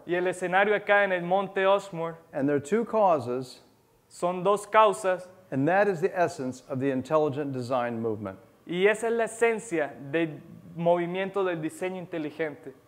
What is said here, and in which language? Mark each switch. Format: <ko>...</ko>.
<es>y el escenario acá en el Monte Rushmore,</es> <en>and there are two causes,</en> <es>son dos causas,</es> <en>and that is the essence of the intelligent design movement.</en> <es>Y esa es la esencia del movimiento del diseño inteligente.</es>